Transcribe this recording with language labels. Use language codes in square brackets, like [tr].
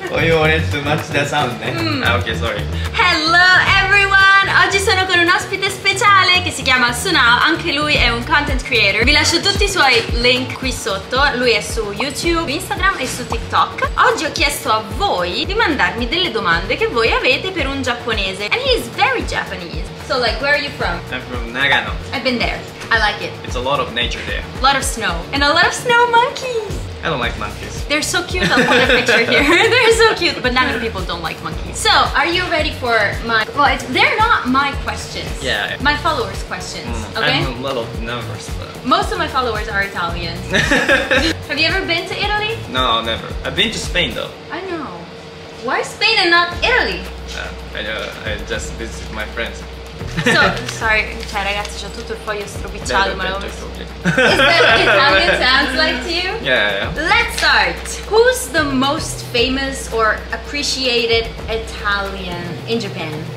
[en] Oh, you want to match the sound, ne? Ah, ok, sorry. Hello, everyone! [it] Oggi sono con un ospite speciale che si chiama Sunao. Anche lui è un content creator. Vi lascio tutti i suoi link qui sotto. Lui è su YouTube, Instagram e su TikTok. Oggi ho chiesto a voi di mandarmi delle domande che voi avete per un giapponese. [en] And he is very Japanese. So, like, where are you from? I'm from Nagano. I've been there. I like it. It's a lot of nature there. A lot of snow. And a lot of snow monkeys. I don't like monkeys. They're so cute. I'll put a picture here. They're so cute. But Nagano people don't like monkeys. So, are you ready for my... Well, they're not my questions. Yeah. My followers' questions. Mm, okay? I'm a little nervous, but... Most of my followers are Italians. Have you ever been to Italy? No, never. I've been to Spain, though. I know. Why Spain and not Italy? I just visited my friends. So, sorry, [it] cioè ragazzi, c'ho tutto il foglio stropicciato, ma l'ho messo. [en] Is that what Italian sounds like to you? Yeah. Let's start! Who's the most famous or appreciated Italian in Japan?